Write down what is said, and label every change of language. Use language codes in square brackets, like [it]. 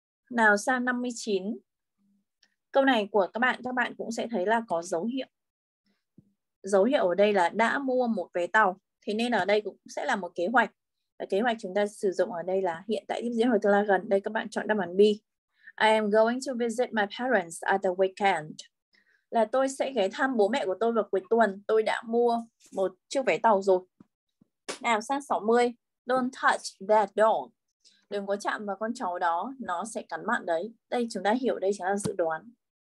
[vi] Nào, sang 59. Câu này của các bạn cũng sẽ thấy là có dấu hiệu. Dấu hiệu ở đây là đã mua một vé tàu. Thế nên ở đây cũng sẽ là một kế hoạch. Và kế hoạch chúng ta sử dụng ở đây là hiện tại tiếp diễn hoặc tương lai gần. Đây các bạn chọn đáp án B. [en] I am going to visit my parents at the weekend. [vi] Là tôi sẽ ghé thăm bố mẹ của tôi vào cuối tuần. Tôi đã mua một chiếc vé tàu rồi. Nào, sang 60. [en] Don't touch that dog. [vi] Đừng có chạm vào con chó đó. Nó sẽ cắn bạn đấy. Đây chúng ta hiểu đây chính là dự đoán.